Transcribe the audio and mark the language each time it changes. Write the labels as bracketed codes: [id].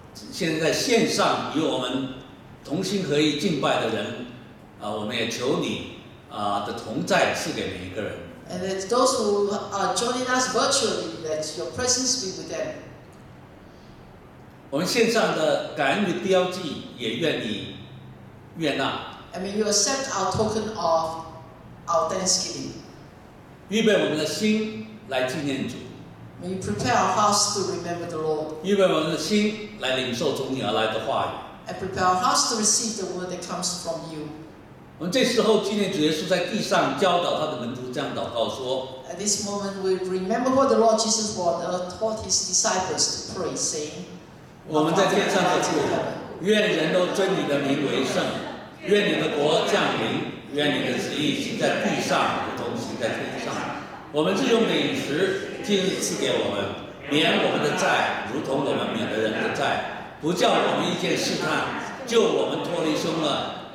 [zh] 现在在线上与我们同心合意敬拜的人，我们也求你的同在赐给每一个人。 [en] And that those who are joining us virtually, let your presence be with them. [zh] 我们线上的感恩与标记也愿你悦纳。 [en] And may you accept our token of our thanksgiving. [zh] 预备我们的心来纪念主。 [en] May you prepare our hearts to remember the Lord. [zh] 预备我们的心来领受从你而来的话语。 [en] and prepare our hearts to receive the word that comes from you. [zh] 我们这时候纪念主耶稣在地上教导他的门徒这样祷告说。 [en] At this moment, we remember what the Lord Jesus taught his disciples to pray, saying, [zh] 我们在天上的父，愿人都尊你的名为圣，愿你的国降临，愿你的旨意行在地上，如同行在天上。我们日用的饮食，今日赐给我们，免我们的债，如同我们免了人的债，不叫我们遇见试探，救我们脱离凶恶。